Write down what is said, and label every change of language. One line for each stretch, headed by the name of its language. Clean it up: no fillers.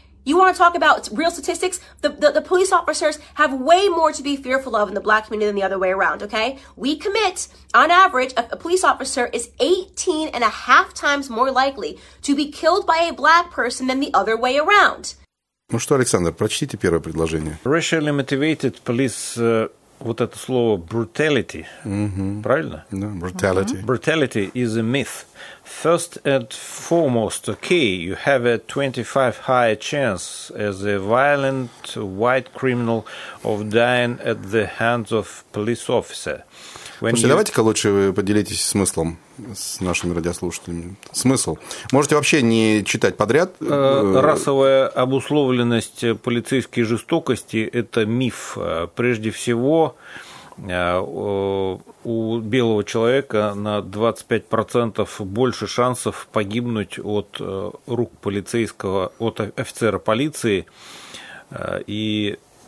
English: You want to talk about real statistics? The police officers have way more to be fearful of in the black community than the other way around, okay? We commit, on average, a police officer is 18 and a half times more likely to be killed by a black person than the other way around.
Russian: Ну что, Александр, прочтите первое предложение.
English: Racially motivated police,
Russian: вот это слово
English: brutality, mm-hmm.
Russian: правильно? Да,
English: yeah, brutality. Mm-hmm. Brutality is a myth. First and foremost, okay, you have a 25 high chance as a violent white criminal of dying at the hands of police officer.
Russian: Слушайте, давайте-ка лучше вы поделитесь смыслом с нашими радиослушателями. Смысл. Можете вообще не читать подряд. Расовая обусловленность полицейской жестокости – это миф. Прежде всего, у белого человека на 25% больше шансов погибнуть от рук полицейского, от офицера полиции. И...